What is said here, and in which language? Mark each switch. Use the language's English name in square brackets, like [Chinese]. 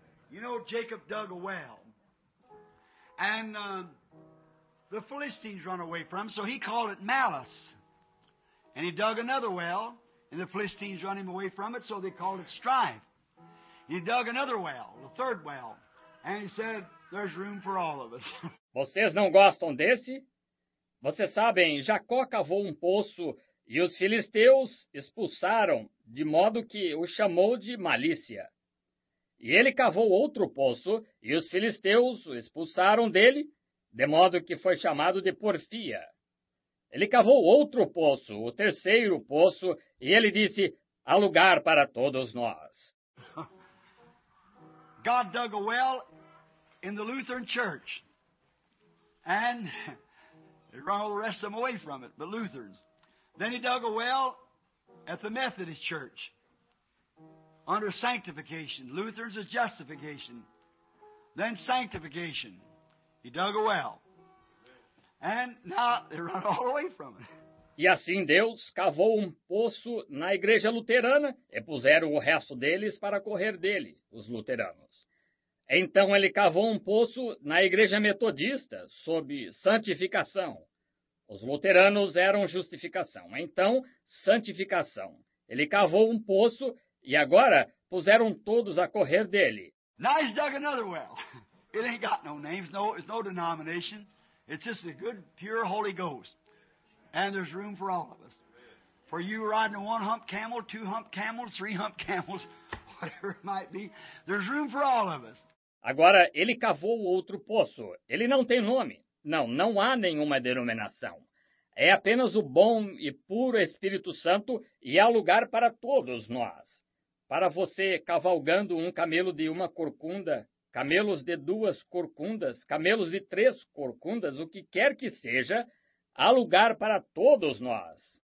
[English] You know, Jacob dug a well. And the Philistines run away from him, so he called it Malice. And he dug another well, and the Philistines run him away from it, so they called it Strife. He dug another well, the third well, and he said, there's room for all of us. [Portuguese] Vocês não gostam desse? Vocês sabem, Jacó cavou um poço e os filisteus expulsaram, de modo que o chamou de Malícia. E ele cavou outro poço e os filisteus o expulsaram dele, de modo que foi chamado de Porfia. Ele cavou outro poço, o terceiro poço, e ele disse, há lugar para todos nós. [English] God dug a well in the Lutheran church. And he ran all the rest of them away from it, the Lutherans. Then he dug a well at the Methodist church. Under sanctification, Lutherans is justification. Then sanctification. He dug a well. And now they run all away from it. [Portuguese] E assim Deus cavou um poço na igreja luterana e puseram o resto deles para correr dele, os luteranos. Então ele cavou um poço na igreja metodista, sob santificação. Os luteranos eram justificação. Então, santificação. Ele cavou um poço e agora puseram todos a correr dele. [English] Now he's dug another well. It ain't got no names, no, it's no denomination. It's just a good, pure Holy Ghost. And there's room for all of us. For you riding a one-hump camel, two-hump camels, three-hump camels, whatever it might be, there's room for all of us. [Portuguese] Agora, ele cavou outro poço. Ele não tem nome. Não, não há nenhuma denominação. É apenas o bom e puro Espírito Santo e há lugar para todos nós. Para você cavalgando um camelo de uma corcunda, camelos de duas corcundas, camelos de três corcundas, o que quer que seja, há lugar para todos nós.